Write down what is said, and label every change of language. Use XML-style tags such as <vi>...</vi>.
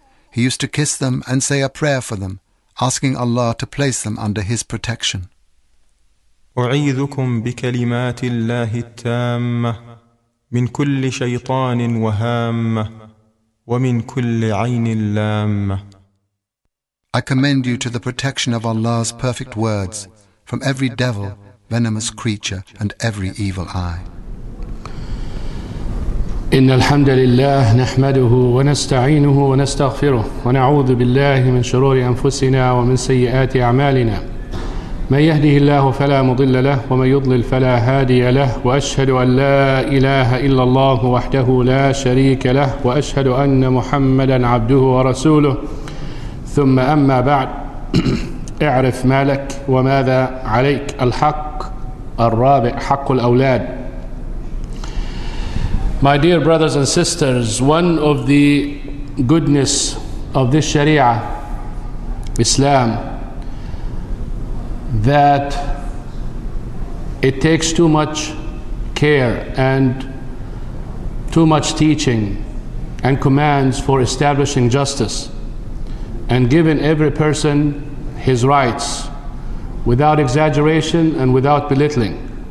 <en>He used to kiss them and say a prayer for them, asking Allah to place them under His protection.</en> <ar>أعيذكم بكلمات الله التامة من كل شيطان وهامة ومن كل عين لامة.</ar> <en>I commend you to the protection of Allah's perfect words from every devil, venomous creature, and every evil eye.</en> <ar>إن الحمد لله نحمده ونستعينه ونستغفره ونعوذ بالله من شرور أنفسنا ومن سيئات أعمالنا. من يهده الله فلا مضل له ومن يضلل فلا هادي له وأشهد أن لا إله إلا الله وحده لا شريك له وأشهد أن محمدًا عبده ورسوله ثم أما بعد اعرف ما لك وماذا عليك الحق الرابع حق الأولاد.</ar> <en>My dear brothers and sisters, one of the goodness of this Sharia, Islam, that it takes too much care and too much teaching and commands for establishing justice and giving every person his rights without exaggeration and without belittling.</en>